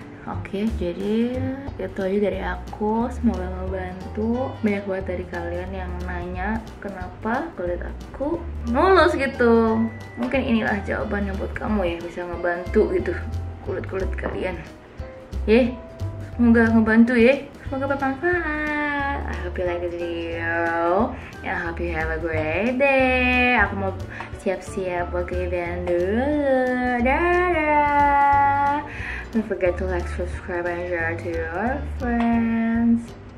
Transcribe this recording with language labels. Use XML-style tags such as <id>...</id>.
<id>Oke, jadi itu aja dari aku. Semoga membantu. Banyak banget dari kalian yang nanya kenapa kulit aku mulus gitu. Mungkin inilah jawabannya buat kamu ya, bisa ngebantu gitu kulit-kulit kalian. Ye, semoga ngebantu ya. Semoga bermanfaat.</id> <en>I hope you like the video and I hope you have a great day.</en> <id>Aku mau siap-siap buat ke event dulu.</id> <en>Dadah. Don't forget to like, subscribe, and share to your friends.</en>